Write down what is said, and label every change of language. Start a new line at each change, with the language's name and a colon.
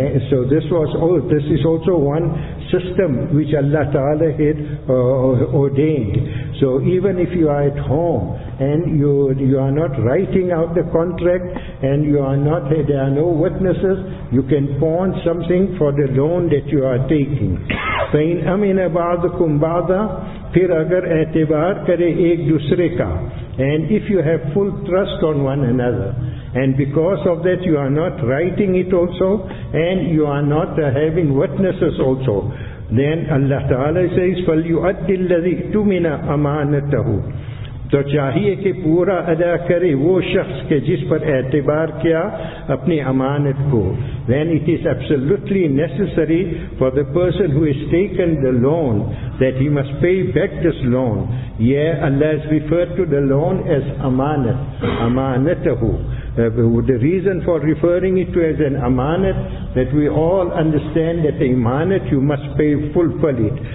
English: So this is also one system which Allah Ta'ala had ordained. So even if you are at home and you are not writing out the contract and you are not, there are no witnesses, you can pawn something for the loan that you are taking.
Arabic: فَإِنْ أَمِنَ بَعْضُكُمْ بَعْضًا
Urdu: فِرْ أَغَرْ اَعْتِبَارْ كَرَيْ اَكْ دُسْرِكَ.
English: And if you have full trust on one another, And because of that you are not writing it also, and you are not having witnesses also. Then Allah Ta'ala says,
Arabic: فَلْيُؤَدِّ الَّذِي اِتُمِنَ أَمَانَتَهُ.
Urdu: تو چاہیے کہ پورا ادا کرے وہ شخص کے جس پر اعتبار کیا اپنی امانت کو.
English: Then it is absolutely necessary for the person who has taken the loan that he must pay back this loan. Yeah, Allah has referred to the loan as amanat, amanatahu. The reason for referring it to as an amanat, that we all understand that the amanat you must pay fulfill it.